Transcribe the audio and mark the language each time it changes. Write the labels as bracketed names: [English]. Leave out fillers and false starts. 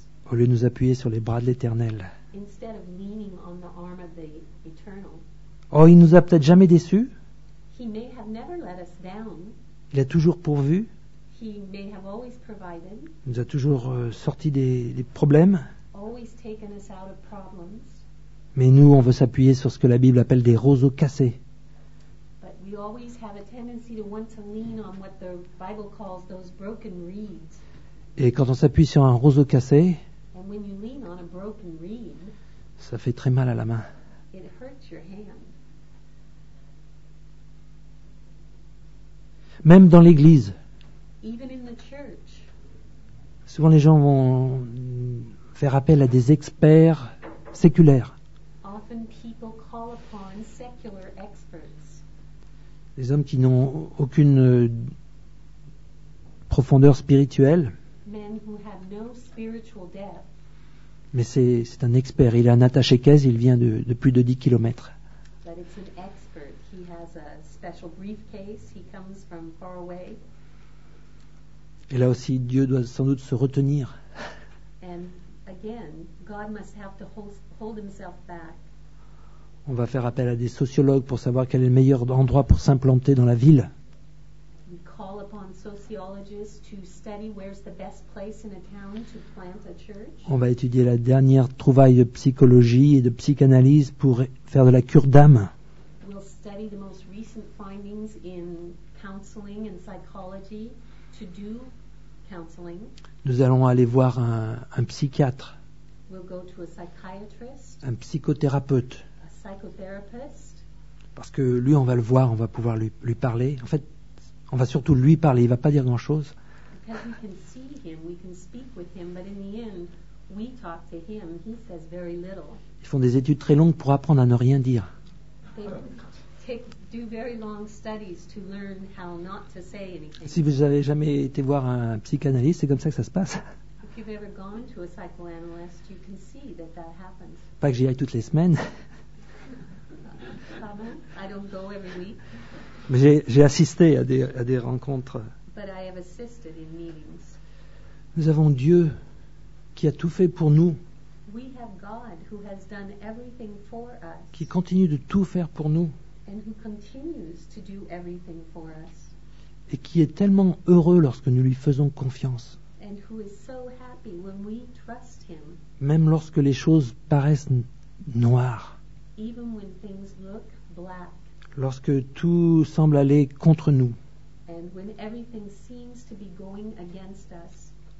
[French] Au lieu de nous appuyer sur les bras de l'Éternel. [English] Instead of leaning on the arm of the eternal. [French] Oh, il nous a peut-être jamais déçus. [English] He may have never let us down. [French] Il a toujours pourvu. [English] He may have always provided. [French] Il nous a toujours sorti des problèmes. [English] Always taken us out of problems. [French] Mais nous, on veut s'appuyer sur ce que la Bible appelle des roseaux cassés. [English] But we always have a tendency to want to lean on what the Bible calls those broken reeds. [French] Et quand on s'appuie sur un roseau cassé, [English] and when you lean on a broken reed, [French] ça fait très mal à la main. [English] It hurts your hand. [French] Même dans l'église. [English] Even in the church. [French] Souvent les gens vont faire appel à des experts séculaires. [English] Often people call upon secular experts. [French] Des hommes qui n'ont aucune profondeur spirituelle. [English] Men who have no spiritual depth. [French] Mais c'est un expert. Il est un attaché caisse, il vient de plus de 10 kilomètres. [English] But it's an expert. He has a special briefcase. He comes from far away. [French] Et là aussi, Dieu doit sans doute se retenir. [English] And again, God must have to hold himself back. [French] On va faire appel à des sociologues pour savoir quel est le meilleur endroit pour s'implanter dans la ville. [English] We call upon sociologists to study where's the best place in a town to plant a church. [French] On va étudier la dernière trouvaille de psychologie et de psychanalyse pour faire de la cure d'âme. [English] We'll study the most recent findings in counseling and psychology to do counseling. [French] Nous allons aller voir un psychiatre. [English] We'll go to a psychiatrist. [French] Un psychothérapeute. [English] A psychotherapist. [French] Parce que lui, on va le voir, on va pouvoir lui parler. En fait, on va surtout lui parler, il ne va pas dire grand-chose. [English] Because we can see him, we can speak with him, but in the end, we talk to him, he says very little. [French] Ils font des études très longues pour apprendre à ne rien dire. [English] Do very long studies to learn how not to say anything. [French] Si vous n'avez jamais été voir un psychanalyste, c'est comme ça que ça se passe. [English] If you've ever gone to a psychoanalyst, you can see that that happens. [French] Pas que j'y aille toutes les semaines. [English] Pardon? I don't go every week. [French] Mais j'ai assisté à des rencontres. [English] But I have assisted in meetings. [French] Nous avons Dieu qui a tout fait pour nous. [English] We have God who has done everything for us. [French] Qui continue de tout faire pour nous. [English] And who continues to do everything for us. [French] Et qui est tellement heureux lorsque nous lui faisons confiance. [English] And who is so happy when we trust him. [French] Même lorsque les choses paraissent noires. [English] Even when things look black. [French] Lorsque tout semble aller contre nous. [English] And when everything seems to be going against us.